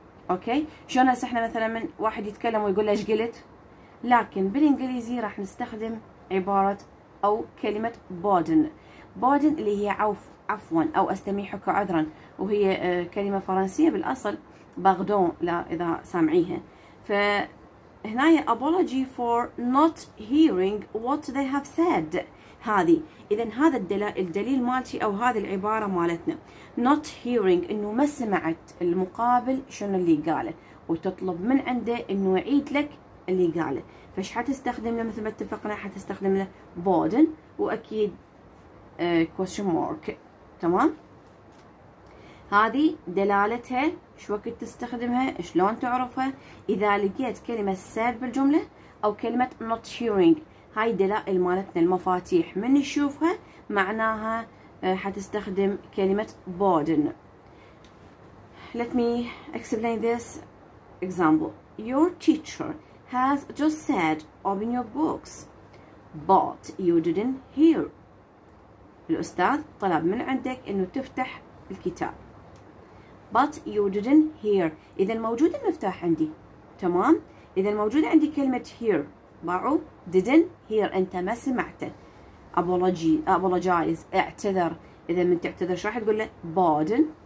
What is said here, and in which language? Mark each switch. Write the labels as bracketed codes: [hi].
[ar] أوكي؟ شلون احنا مثلا من واحد يتكلم ويقول له ايش قلت؟ لكن بالإنجليزي راح نستخدم عبارة أو كلمة pardon. pardon اللي هي عفوا أو أستميحك عذرا، وهي كلمة فرنسية بالأصل pardon. لا إذا سامعيها. [en] فهنا apology for not hearing what they have said. [ar] هذه اذا هذا الدليل مالتي او هذه العبارة مالتنا not hearing، انه ما سمعت المقابل شنو اللي قاله وتطلب من عنده انه يعيد لك اللي قاله. فش حتستخدم له مثل ما اتفقنا؟ حتستخدم له pardon واكيد question mark. تمام، هذه دلالتها، شو وقت تستخدمها، شلون تعرفها. اذا لقيت كلمة sad بالجملة او كلمة not hearing، هاي دلائل مالتنا المفاتيح. من نشوفها معناها حتستخدم كلمة pardon. [en] Let me explain this example. Your teacher has just said open your books but you didn't hear. [ar] الأستاذ طلب من عندك انه تفتح الكتاب [en] but you didn't hear. [ar] اذا موجود المفتاح عندي. تمام، اذا موجود عندي كلمة hear باعوا [en] didn't hear، [ar] انت ما سمعته. apologize اعتذر. اذا من تعتذر شو راح تقول له؟ pardon.